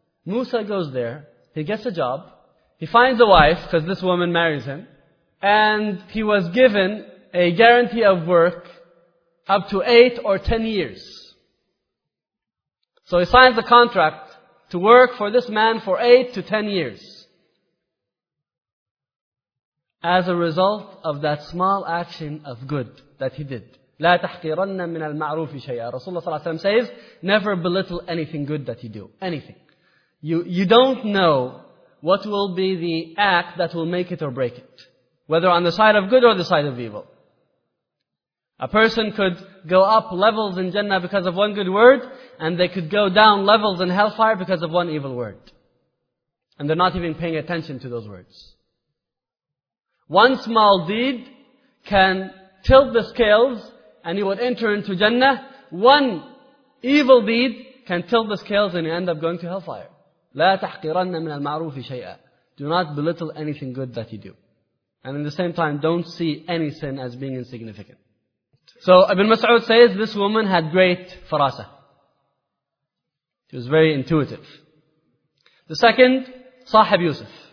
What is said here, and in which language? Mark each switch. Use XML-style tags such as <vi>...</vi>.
<en>Musa goes there, he gets a job, he finds a wife because this woman marries him, and he was given a guarantee of work up to 8 or 10 years. So he signs the contract to work for this man for 8 to 10 years. As a result of that small action of good that he did.</en> <ar>لا تحقرن من المعروف شيئا.</ar> <en>Rasulullah صلى الله عليه وسلم says, never belittle anything good that you do. Anything. You don't know what will be the act that will make it or break it. Whether on the side of good or the side of evil. A person could go up levels in Jannah because of one good word, and they could go down levels in hellfire because of one evil word. And they're not even paying attention to those words. One small deed can tilt the scales and he would enter into Jannah. One evil deed can tilt the scales and he end up going to hellfire.</en> <ar>لا تحقرن من المعروف شيئا.</ar> <en>Do not belittle anything good that you do. And in the same time, don't see any sin as being insignificant. So Ibn Mas'ud says this woman had great farasa. She was very intuitive. The second, Sahib Yusuf.</en>